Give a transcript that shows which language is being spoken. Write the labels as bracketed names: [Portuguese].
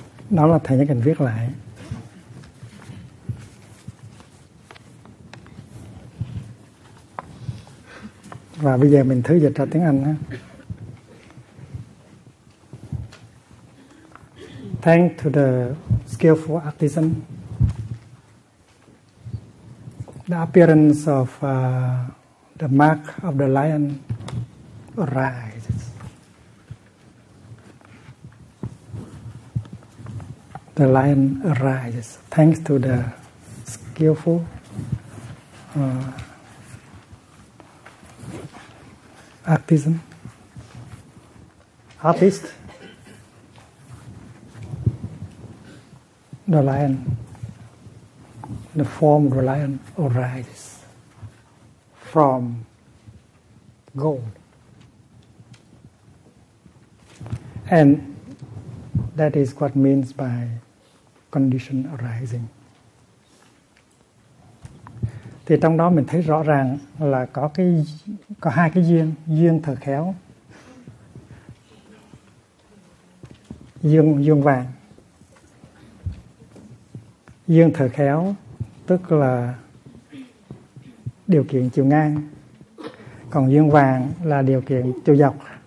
[Vietnamese] Đó là thầy nhất định viết lại. Và bây giờ mình thử dịch ra tiếng Anh. [English] Thanks to the skillful artisan, the appearance of the mark of the lion arises. The lion arises. Thanks to the skillful artisan, artist, the lion, the form of the lion arises from gold, and that is what means by condition arising. [Vietnamese] Thì trong đó mình thấy rõ ràng là có cái, có hai cái duyên, duyên thờ khéo, duyên vàng. Duyên thờ khéo tức là điều kiện chiều ngang, còn duyên vàng là điều kiện chiều dọc.